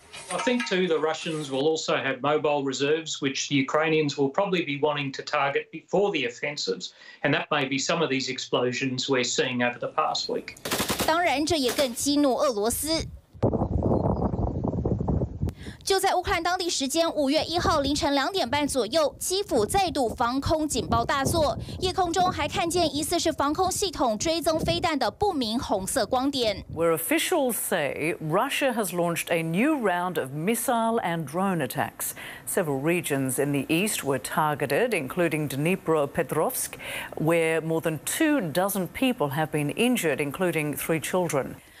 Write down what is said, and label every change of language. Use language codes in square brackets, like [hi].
[en] I think too the Russians will also have mobile reserves, which the Ukrainians will probably be wanting to target before the offensives, and that may be some of these explosions we're seeing over the past week. [zh] 当然，这也更激怒俄罗斯。就在乌克兰当地时间5月1号凌晨2点半左右，基辅再度防空警报大作，夜空中还看见疑似是防空系统追踪飞弹的不明红色光点。 [en] Where officials say Russia has launched a new round of missile and drone attacks. Several regions in the east were targeted, including Dnipropetrovsk, where more than 2 dozen people have been injured, including 3 children.